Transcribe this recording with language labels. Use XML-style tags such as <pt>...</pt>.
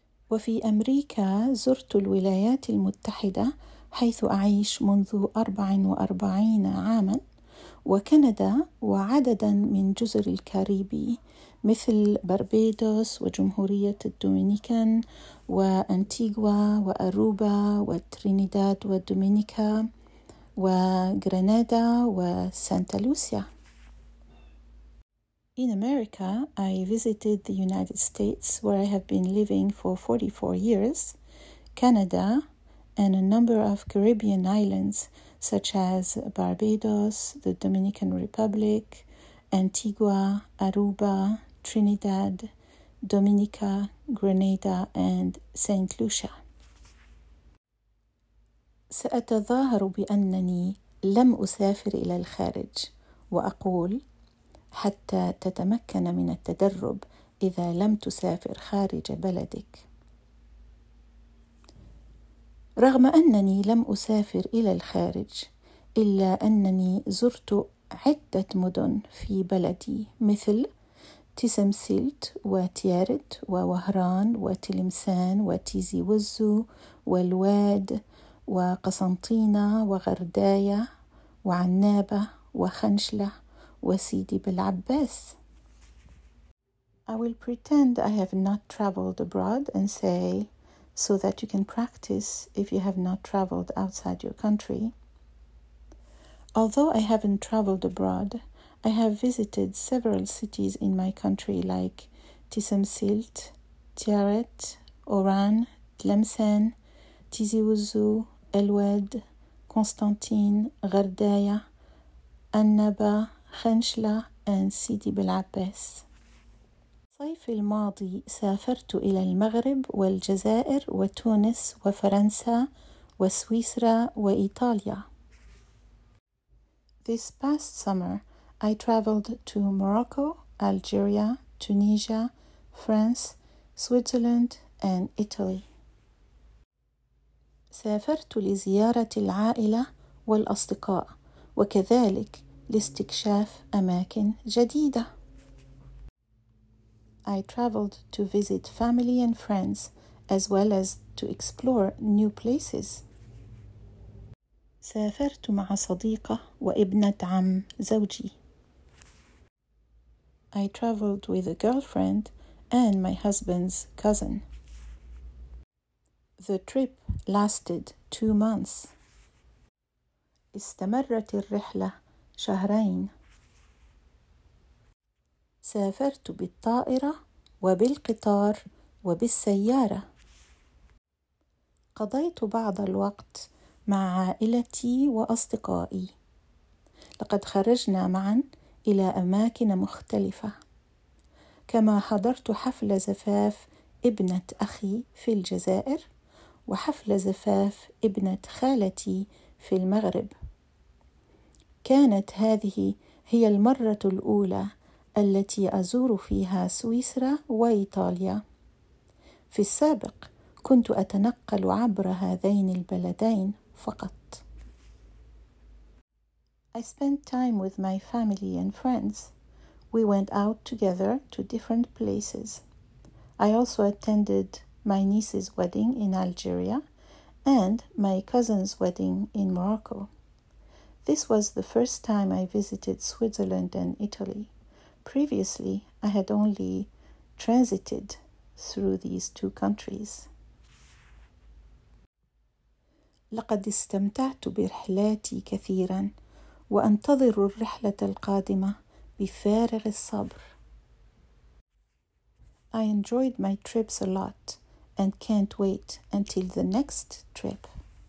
<ar>وفي أمريكا زرت الولايات المتحدة حيث أعيش منذ 44 عاما، وكندا وعددا من جزر الكاريبي مثل بربيدوس وجمهورية الدومينيكان وأنتيغوا وأروبا وترينيداد ودومينيكا وغرناطة وسانتا لوسيا.</ar> <en>In America, I visited the United States, where I have been living for 44 years, Canada, and a number of Caribbean islands, such as Barbados, the Dominican Republic, Antigua, Aruba, Trinidad, Dominica, Grenada, and Saint Lucia.</en> <ar>سأتظاهر بأنني لم أسافر إلى الخارج وأقول حتى تتمكن من التدرب إذا لم تسافر خارج بلدك. رغم أنني لم أسافر إلى الخارج، إلا أنني زرت عدة مدن في بلدي مثل تيسمسيلت وتيارت ووهران وتلمسان وتيزي وزو والواد وقسنطينة وغردايا وعنابة وخنشلة وسيدي بالعباس.</ar> <en>I will pretend I have not traveled abroad and say, so that you can practice if you have not traveled outside your country. Although I haven't traveled abroad, I have visited several cities in my country like Tisamsilt, Tiaret, Oran, Tlemcen, Tizi Ouzou, Elwed, Constantine, Gherdaya, Annaba, Khenchla, and Sidi Belabès.</en> <ar>الصيف الماضي سافرت إلى المغرب والجزائر وتونس وفرنسا وسويسرا وإيطاليا.</ar> <en>This past summer, I traveled to Morocco, Algeria, Tunisia, France, Switzerland, and Italy.</en> <ar>سافرت لزيارة العائلة والأصدقاء وكذلك لاستكشاف أماكن جديدة.</ar> <en>I traveled to visit family and friends, as well as to explore new places.</en> <ar>سافرت مع صديقة وابنة عم زوجي.</ar> <en>I traveled with a girlfriend and my husband's cousin. The trip lasted 2 months.</en> <ar>استمرت الرحلة شهرين. سافرت بالطائرة وبالقطار وبالسيارة. قضيت بعض الوقت مع عائلتي وأصدقائي. لقد خرجنا معا إلى أماكن مختلفة، كما حضرت حفل زفاف ابنة أخي في الجزائر وحفل زفاف ابنة خالتي في المغرب. كانت هذه هي المرة الأولى التي أزور فيها سويسرا وإيطاليا. في السابق كنت أتنقل عبر هذين البلدين فقط.</ar> <en>I spent time with my family and friends. We went out together to different places. I also attended my niece's wedding in Algeria and my cousin's wedding in Morocco. This was the first time I visited Switzerland and Italy. Previously, I had only transited through these two countries.</en> <ar>لقد استمتعت برحلاتي كثيرا وأنتظر الرحلة القادمة بفارغ الصبر.</ar> <en>I enjoyed my trips a lot and can't wait until the next trip.</en>